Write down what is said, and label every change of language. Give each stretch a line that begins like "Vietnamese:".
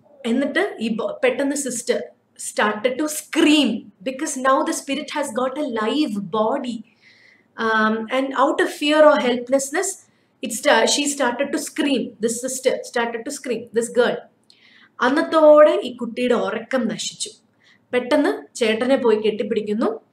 Malayalam: എന്നിട്ട് ഈ പെട്ടെന്ന്
English: Sister started to scream because now the spirit has got a live body. And out of fear or helplessness, she started to scream. This sister started to scream, this girl.
Malayalam: അന്നത്തോടെ ഈ കുട്ടിയുടെ ഉറക്കം നശിച്ചു. പെട്ടെന്ന് ചേട്ടനെ പോയി കെട്ടിപ്പിടിക്കുന്നു.